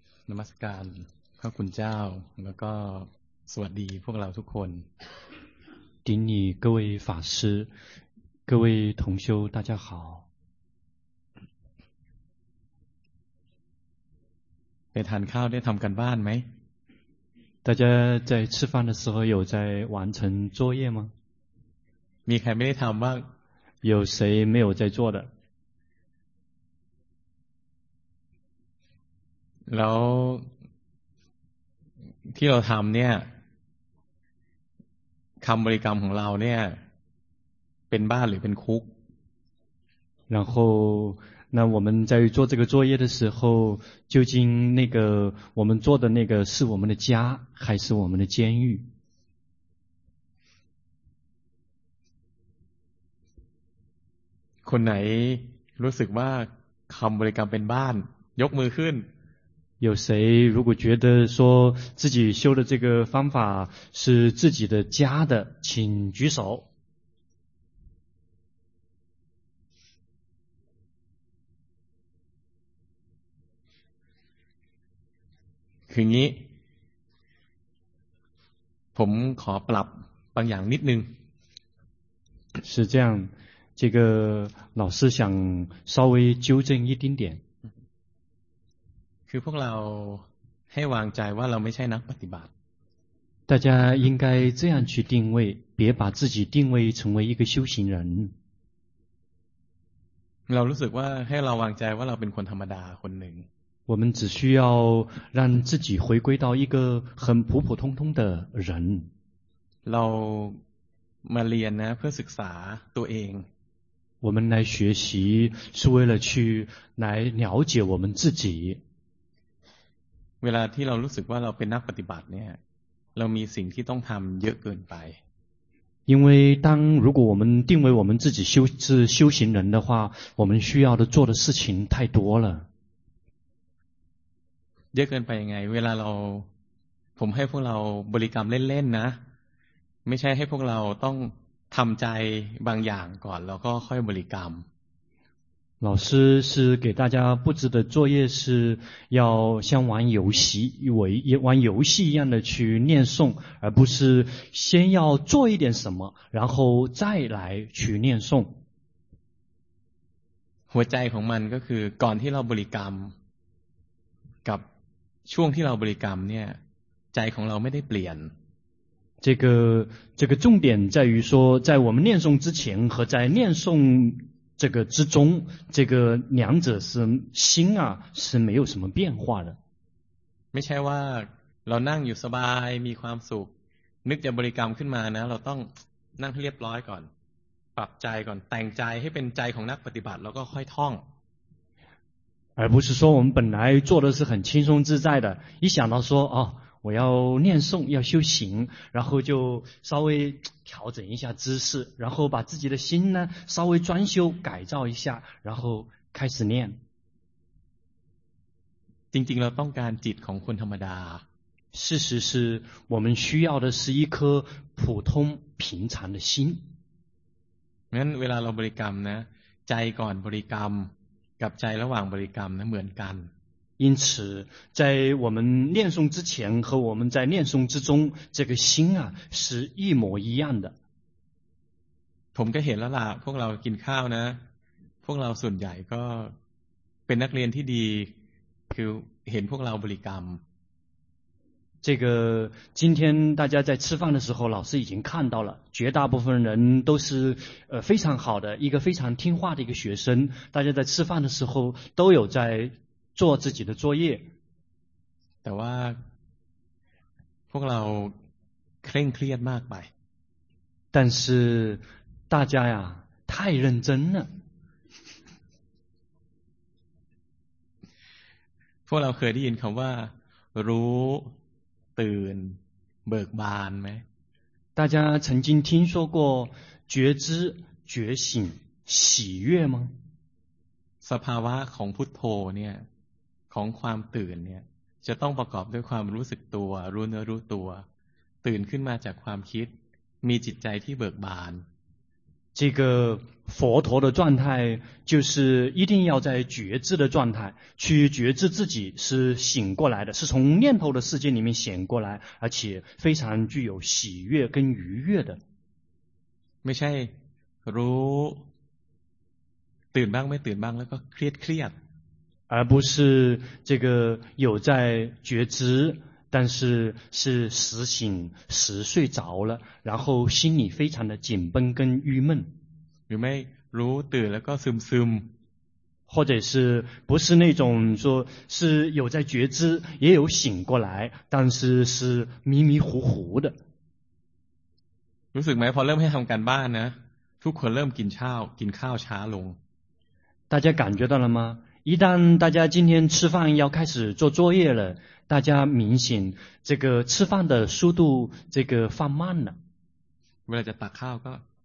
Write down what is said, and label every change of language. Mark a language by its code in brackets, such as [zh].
[th] นมัสการพระคุณเจ้าแล้วก็สวัสดีพวกเราทุกคน [zh] 顶礼各位法师各位同修大家好 [th] ไปทานข้าวได้ทำกันบ้านไหม [zh] 大家在吃饭的时候有在完成作业吗 [th] มีใครไม่ได้ทำบ้าง [zh] 有谁没有在做的 [th] แล้วที่เราทำเนี่ยคำบริกรรมของเราเนี่ยเป็นบ้านหรือเป็นคุก [zh] 然后那我们在做这个作业的时候究竟那个我们做的那个是我们的家还是我们的监狱 [th] คนไหนรู้สึกว่าคำบริกรรมเป็นบ้านยกมือขึ้น [zh] 有谁如果觉得说自己修的这个方法是自己的家的请举手 [th] คืองี้ผมขอปรับบางอย่างนิดนึง [zh] 是这样这个老师想稍微纠正一丁点 [th] คือพวกเราให้วางใจว่าเราไม่ใช่นักปฏิบัติ [zh] 大家应该这样去定位别把自己定位成为一个修行人 [th] เรารู้สึกว่าให้เราวางใจว่าเราเป็นคนธรรมดาคนหนึ่ง [zh] 我们只需要让自己回归到一个很普普通通的人 [th] เรามาเรียนนะเพื่อศึกษาตัวเอง [zh] 我们来学习是为了去来了解我们自己 [th] เวลาที่เรารู้สึกว่าเราเป็นนักปฏิบัติเนี่ยเรามีสิ่งที่ต้องทำเยอะเกินไป [zh] 因为当如果我们定为我们自己修是修行人的话我们需要的做的事情太多了 [th] เยอะเกินไปยังไงเวลาเราผมให้พวกเราบริกรรมเล่นๆนะไม่ใช่ให้พวกเราต้องทำใจบางอย่างก่อนแล้วก็ค่อยบริกรรม [zh] 老师是给大家布置的作业是要像玩游戏玩游戏一样的去念诵而不是先要做一点什么然后再来去念诵 [th] หัวใจของมันก็คือก่อนที่เราบริกรรมกับช่วงที่เราบริกรรมเนี่ยใจของเราไม่ได้เปลี่ยน [zh] 这个重点在于说在我们念诵之前和在念诵这个之中这个两者是心啊是没有什么变化的 [th] ไม่ใช่ว่าเรานั่งอยู่สบายมีความสุขนึกจะบริกรรมขึ้นมานะเราต้องนั่งให้เรียบร้อยก่อนปรับใจก่อนแต่งใจให้เป็นใจของนักปฏิบัติแล้วก็ค่อยท่อง [zh] 而不是说我们本来做的是很轻松自在的一想到说哦我要念诵要修行然后就稍微调整一下姿势然后把自己的心呢稍微专修改造一下然后开始念 [th] จริงๆเราต้องการจิตของคนธรรมดา [zh] 事实是我们需要的是一颗普通平常的心 [th] งั้นเวลาเราบริกรรมนะใจก่อนบริกรรมกับใจระหว่างบริกรรมนะเหมือนกัน [zh] 因此在我们念诵之前和我们在念诵之中这个心啊是一模一样的 [th] ผมก็เห็นแล้วล่ะพวกเรากินข้าวนะพวกเราส่วนใหญ่ก็เป็นนักเรียนที่ดีคือเห็นพวกเราบริกรรม [zh] 这个今天大家在吃饭的时候老师已经看到了绝大部分人都是非常好的一个非常听话的一个学生大家在吃饭的时候都有在做自己的作业 [th] แต่ว่าพวกเราเคร่งเครียดมากไป [zh] 但是大家呀太认真了 [th] พวกเราเคยได้ยินคำว่ารู้ตื่นเบิกบานไหม [zh] 大家曾经听说过觉知觉醒喜悦吗 [th] สภาวะของพุทโธเนี่ยของความตื่นเนี่ยจะต้องประกอบด้วยความรู้สึกตัวรู้เนื้อรู้ตัวตื่นขึ้นมาจากความคิดมีจิตใจที่เบิกบาน [zh] 这个佛陀的状态就是一定要在觉知的状态去觉知自己是醒过来的，是从念头的世界里面醒过来，而且非常具有喜悦跟愉悦的。 [th] ไม่ใช่รู้ตื่นบ้างไม่ตื่นบ้างแล้วก็เครียดเครียด， [zh] 而不是这个有在觉知，但是是时醒时睡着了，然后心里非常的紧绷跟郁闷。有没如得了个松松，或者是不是那种说是有在觉知，也有醒过来，但是是迷迷糊糊的。 [th] รู้สึกไหมพอเริ่มให้ทำการบ้านนะทุกคนเริ่มกินข้าวกินข้าวช้าลง。 [zh] 大家感觉到了吗？一旦大家今天吃饭要开始做作业了，大家明显这个吃饭的速度这个放慢了。为了就打开个。